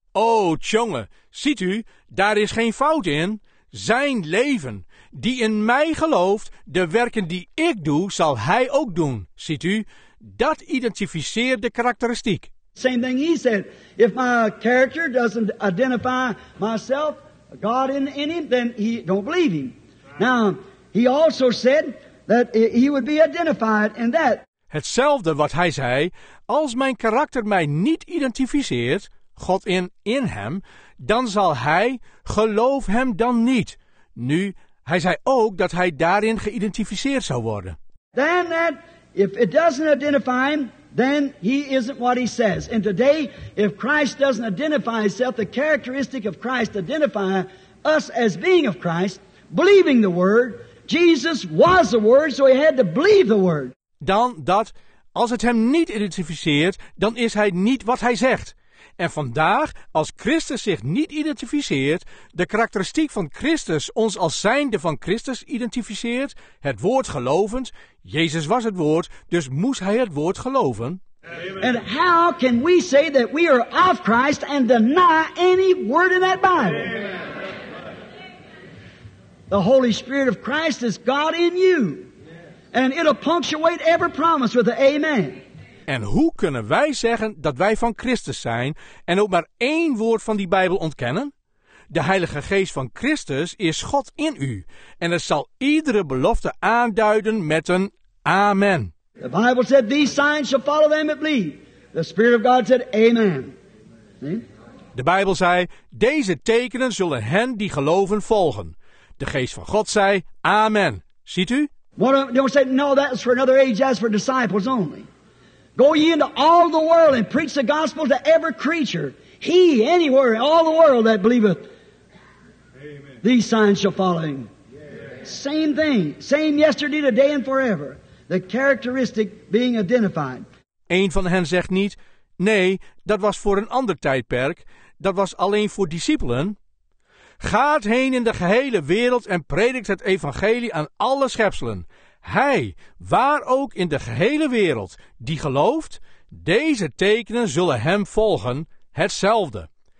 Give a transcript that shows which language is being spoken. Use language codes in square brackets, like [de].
[nl] Oh, tjonge, ziet u, daar is geen fout in. Zijn leven. Die in mij gelooft, de werken die ik doe, zal hij ook doen. Ziet u? Dat identificeert de karakteristiek. [en] Same thing he said. If my character doesn't identify myself, God in him, then he don't believe him. Now, he also said that he would be identified in that. [nl] Hetzelfde wat hij zei, als mijn karakter mij niet identificeert, God in hem, dan zal hij, geloof hem dan niet. Nu, hij zei ook dat hij daarin geïdentificeerd zou worden. [en] Then that, if it doesn't identify him, then he isn't what he says. And today, if Christ doesn't identify himself, the characteristic of Christ, identify us as being of Christ, believing the word, Jesus was the word, so he had to believe the word. [nl] Dan dat, als het hem niet identificeert, dan is hij niet wat hij zegt. En vandaag, als Christus zich niet identificeert, de karakteristiek van Christus ons als zijnde van Christus identificeert, het woord gelovend, Jezus was het woord, dus moest hij het woord geloven. En [en] how can we say that we are of Christ and deny any word in that Bible? Amen. The Holy Spirit of Christ is God in you. And it'll punctuate every promise with an amen. [nl] En hoe kunnen wij zeggen dat wij van Christus zijn en ook maar één woord van die Bijbel ontkennen? De Heilige Geest van Christus is God in u en het zal iedere belofte aanduiden met een amen. [en] The Bible said these signs shall follow them that believe. The Spirit of God said amen. [nl] De Bijbel zei, deze tekenen zullen hen die geloven volgen. De Geest van God zei amen. Ziet u? [en] Don't say, no, that is for another age, that's for disciples only. Go ye into all the world and preach the gospel to every creature. He, anywhere, all the world that believeth. Amen. These signs shall follow him. Yeah. Same thing. Same yesterday, today and forever. The characteristic being identified. [nl] Een van hen zegt niet, nee, dat was voor een ander tijdperk. Dat was alleen voor discipelen. Gaat heen in de gehele wereld en predikt het evangelie aan alle schepselen. Hij, waar ook in de gehele wereld, die gelooft, deze tekenen zullen hem volgen, hetzelfde.